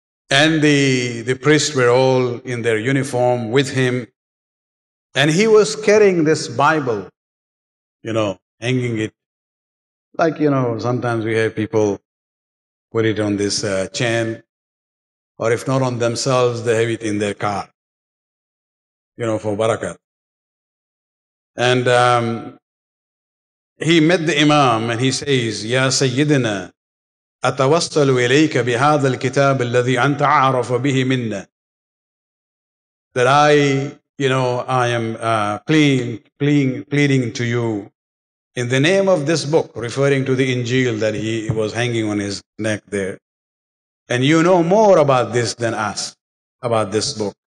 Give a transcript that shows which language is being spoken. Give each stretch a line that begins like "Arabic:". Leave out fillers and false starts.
English: And the priests were all in their uniform with him, and he was carrying this Bible, you know, hanging it, like, you know, sometimes we have people put it on this chain, or if not on themselves, they have it in their car, you know, for barakat. And he met the Imam and he says, Ya Sayyidina,
Arabic: أتوصل إليك بهذا الكتاب الذي أنت عارف به منا.
English: That I, you know, I am pleading to you in the name of this book, referring to the Injil that he was hanging on his neck there. And you know more about this than us, about this book.